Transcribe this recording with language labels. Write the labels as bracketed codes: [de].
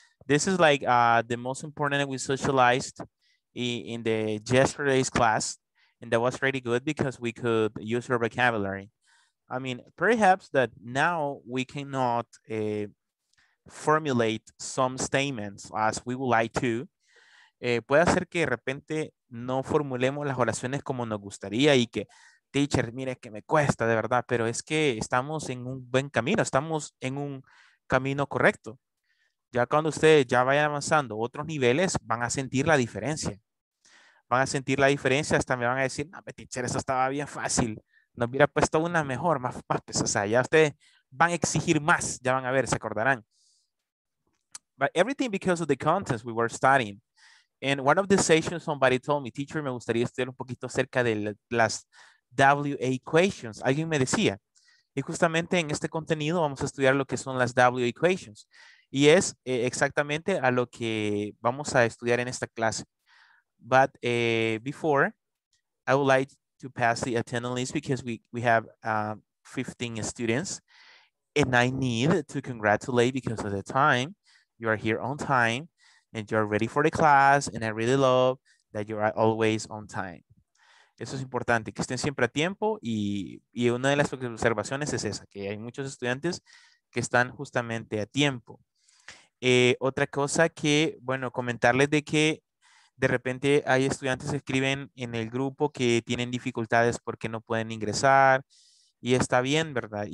[en] This is like the most important that we socialized in the yesterday's class. And that was really good because we could use our vocabulary. I mean, perhaps that now we cannot formulate some statements as we would like to. [es] Puede ser que de repente no formulemos las oraciones como nos gustaría y que, teacher, mire que me cuesta de verdad, pero es que estamos en un buen camino, estamos en un camino correcto. Ya cuando ustedes ya vayan avanzando otros niveles, van a sentir la diferencia. Van a sentir la diferencia, hasta me van a decir, no, teacher, eso estaba bien fácil. Nos hubiera puesto una mejor, más pesada. O sea, ya ustedes van a exigir más, ya van a ver, se acordarán. [en] But everything because of the contents we were studying. In one of the sessions, somebody told me, teacher, [es] me gustaría estudiar un poquito acerca de las [en] WA equations. [es] Alguien me decía, y justamente en este contenido vamos a estudiar lo que son las WA equations. Y es exactamente a lo que vamos a estudiar en esta clase. [en] But before, I would like to pass the attendance list because we have 15 students. And I need to congratulate because of the time. You are here on time. And you're ready for the class, and I really love that you are always on time. [es] Eso es importante, que estén siempre a tiempo, y una de las observaciones es esa, que hay muchos estudiantes que están justamente a tiempo. Otra cosa que, bueno, comentarles de que de repente hay estudiantes que escriben en el grupo que tienen dificultades porque no pueden ingresar, y está bien, ¿verdad?